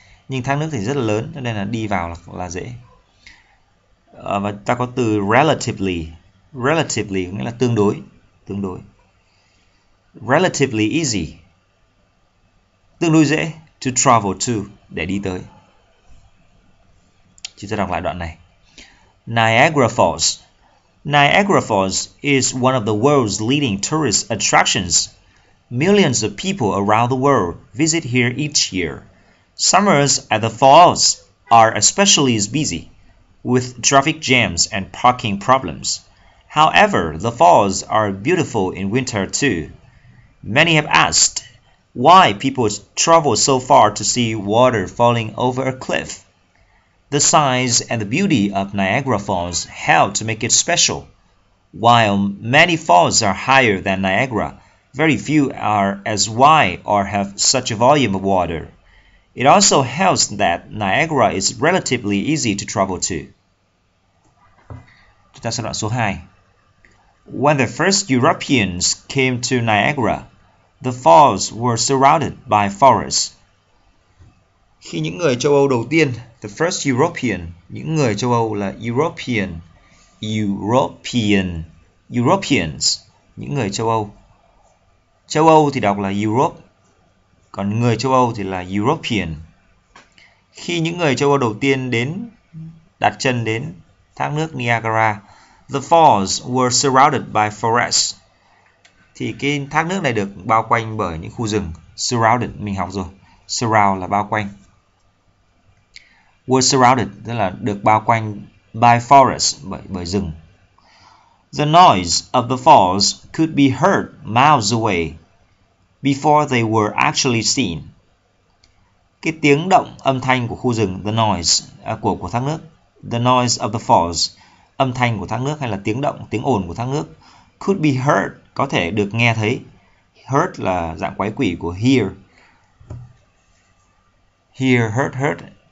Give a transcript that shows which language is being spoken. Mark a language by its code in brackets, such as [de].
[vi] Nhưng thác nước thì rất là lớn, cho nên là đi vào là dễ. Và ta có từ relatively. Relatively nghĩa là tương đối, tương đối. [en] Relatively easy, [vi] tương đối dễ, [en] to travel to, [vi] để đi tới. Chúng ta đọc lại đoạn này. [en] Niagara Falls. Niagara Falls is one of the world's leading tourist attractions. Millions of people around the world visit here each year. Summers at the falls are especially busy, with traffic jams and parking problems. However, the falls are beautiful in winter too. Many have asked why people travel so far to see water falling over a cliff. The size and the beauty of Niagara Falls help to make it special. While many falls are higher than Niagara, very few are as wide or have such a volume of water. It also helps that Niagara is relatively easy to travel to. When the first Europeans came to Niagara, the falls were surrounded by forests. [vi] Khi những người châu Âu đầu tiên, [en] the first European, [vi] những người châu Âu là European, European, Europeans, những người châu Âu. Châu Âu thì đọc là Europe, còn người châu Âu thì là European. Khi những người châu Âu đầu tiên đến, đặt chân đến thác nước Niagara, [en] the falls were surrounded by forests. [vi] Thì cái thác nước này được bao quanh bởi những khu rừng. Surrounded, mình học rồi. Surround là bao quanh. [en] Were surrounded, [vi] tức là được bao quanh [en] by forests, [vi] bởi rừng. [en] The noise of the falls could be heard miles away before they were actually seen. [vi] Cái tiếng động âm thanh của khu rừng, [en] the noise, [vi] của thác nước. [en] The noise of the falls, [vi] âm thanh của thác nước hay là tiếng động, tiếng ồn của thác nước. [en] Could be heard, [vi] có thể được nghe thấy. Heard là dạng quái quỷ của hear. [en] Hear, heard, heard.